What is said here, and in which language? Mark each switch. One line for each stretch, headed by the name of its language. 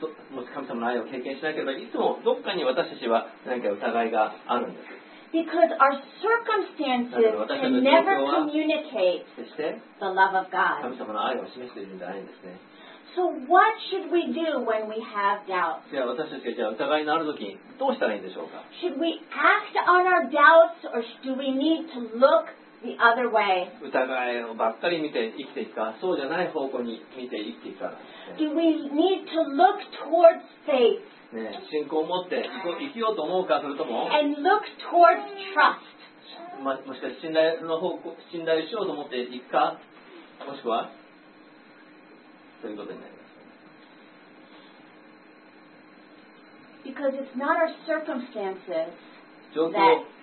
Japanese: もし神様の愛を経験しなければ、いつもどこかに私たちは何か疑いがあるんです。
English: Because our circumstances can never communicate the love of God.
Japanese: 神様の愛を示しているんじゃないんですね。
English: So what should we do when we have doubts?
Japanese: じゃあ私たちがじゃあ疑いのある時にどうしたらいいんでしょうか?
English: Should we act on our doubts or do we need to look the other way?
Japanese: 疑いをばっかり見て生きていくか、そうじゃない方向に見て生きていくか。
English: Do we need to look towards faith?
Japanese: ね、信仰を持って生きようと思うか、それとも
English: And look towards trust.、
Japanese: ま、もしかして信頼しようと思っていくか、もしくはということになります。
English: Because it's not our circumstances that